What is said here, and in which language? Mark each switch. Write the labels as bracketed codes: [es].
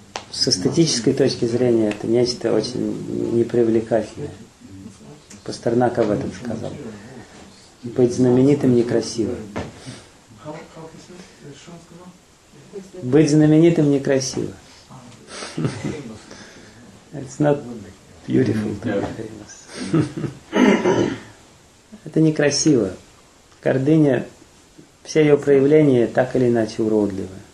[ru] С эстетической точки зрения это нечто очень непривлекательное. Пастернак об этом сказал. Быть знаменитым некрасиво. Быть знаменитым некрасиво. [en] It's not beautiful to be famous. [ru] Это некрасиво. Гордыня, все ее проявления так или иначе уродливы.